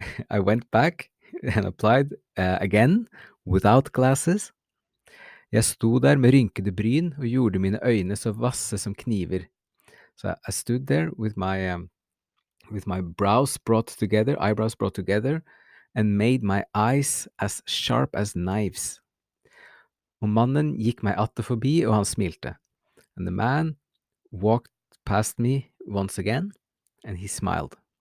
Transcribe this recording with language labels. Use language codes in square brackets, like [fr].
[en] I went back and applied again without glasses. [no] Jeg sto der med rynkede bryn og gjorde mine øyne så vasse som kniver. [en] So I stood there with my brows brought together, eyebrows brought together, and made my eyes as sharp as knives. [no] Og mannen gikk meg atter forbi, og han smilte. [en] And the man walked past me once again, and he smiled.